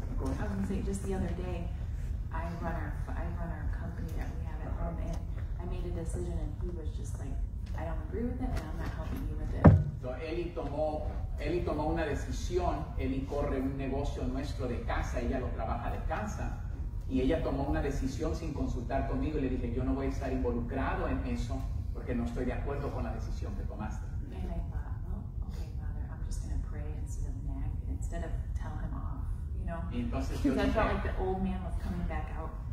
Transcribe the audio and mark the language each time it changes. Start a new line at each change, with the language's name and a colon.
English: cosas. I was going to say, just the other day, I run our company that we have at home, and I made a decision, and he was just like, I don't agree with it, and I'm not helping you with it.
Spanish: So Eli tomó una decisión. Eli corre un negocio nuestro de casa, ella lo trabaja de casa. Y ella tomó una decisión sin consultar conmigo y le dije, yo no voy a estar involucrado en eso porque no estoy de acuerdo con la decisión que tomaste.
English: And I thought, oh, okay, Father, I'm just going to pray instead of tell him off, you know?
Spanish: Y entonces yo dije,
English: I felt like the old man was coming back out.